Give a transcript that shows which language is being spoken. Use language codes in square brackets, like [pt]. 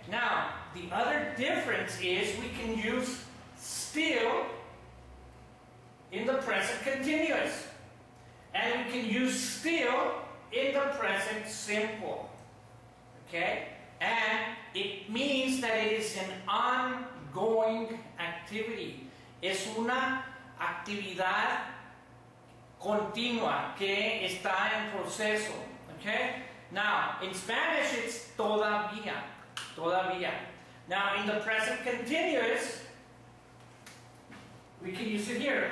[en] Now, the other difference is we can use still in the present continuous. And we can use still in the present simple. Okay? And it means that it is an ongoing activity. [es] Es una actividad continua que está en proceso. [en] Okay? Now, in Spanish it's todavía. Todavía. Now, in the present continuous, we can use it here.